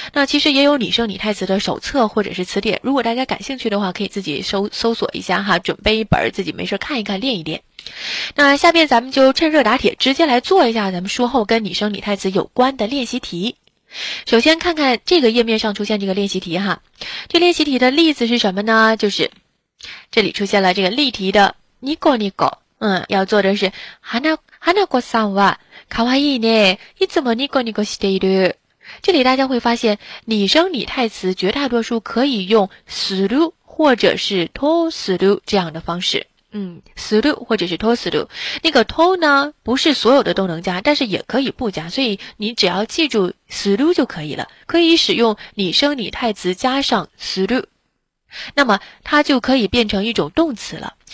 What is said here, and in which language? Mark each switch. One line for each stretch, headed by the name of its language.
Chinese: 那其实也有拟声拟态词的手册或者是词典，如果大家感兴趣的话，可以自己搜索一下哈，准备一本自己没事看一看，练一练。那下面咱们就趁热打铁，直接来做一下咱们术后跟拟声拟态词有关的练习题。首先看看这个页面上出现这个练习题哈，这练习题的例子是什么呢？就是这里出现了这个例题的ニコニコ，要做的是
Japanese: 花子さんは可愛いね、いつもニコニコしている。
Chinese: 这里大家会发现，拟声拟态词绝大多数可以用する或者是とする这样的方式。する或者是とする，那个と呢不是所有的都能加，但是也可以不加，所以你只要记住する就可以了，可以使用拟声拟态词加上する，那么它就可以变成一种动词了。